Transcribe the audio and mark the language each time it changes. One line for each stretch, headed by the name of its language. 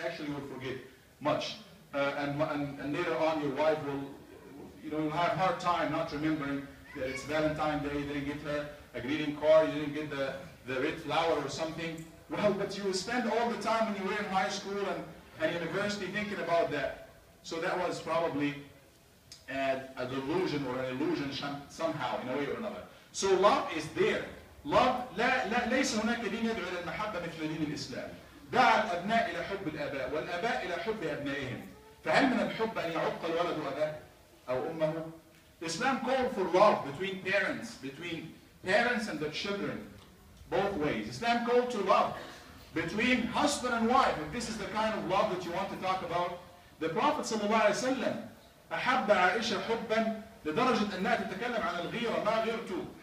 English: Actually, you will forget much. And later on, your wife will, you know, you'll have a hard time not remembering that it's Valentine's Day, you didn't get her a greeting card, you didn't get the red flower or something. Well, but you will spend all the time when you were in high school and university thinking about that. So that was probably a delusion or an illusion somehow, in a way or another. So love is there.
Arabic: Love, لا ليس هناك دين يدعو إلى المحبة مثل دين الإسلام. دعا الأبناء إلى حب الآباء والآباء إلى حب أبنائهم. فهل من الحب أن يعق الولد أباه أو أمه؟
English: Islam called for love between parents and the children, both ways. Islam called to love between husband and wife. If this is the kind of love that you want to talk about, the Prophet
Arabic: صلى الله عليه وسلم أحب عائشة حبا لدرجة أنها تتكلم عن الغيرة ما غيرته.